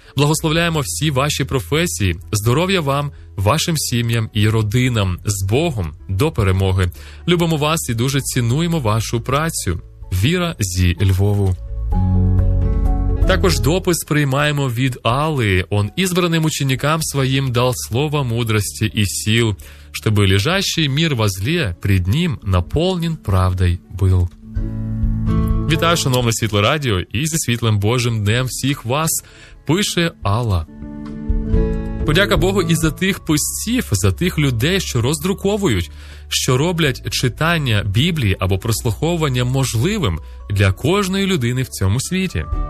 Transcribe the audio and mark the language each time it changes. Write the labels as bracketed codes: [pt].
[uk] Благословляємо всі ваші професії, здоров'я вам, вашим сім'ям і родинам, з Богом, до перемоги. Любимо вас і дуже цінуємо вашу працю. Віра зі Львову. Також допис приймаємо від Алли. [ru] Он избранным ученикам своим дал слово мудрости и сил, чтобы лежащий мир во зле пред ним наполнен правдой был. [uk] Вітаю, шановне Світле Радіо, і зі Світлим Божим Днем всіх вас, пише Алла. Подяка Богу і за тих постів, за тих людей, що роздруковують, що роблять читання Біблії або прослуховування можливим для кожної людини в цьому світі.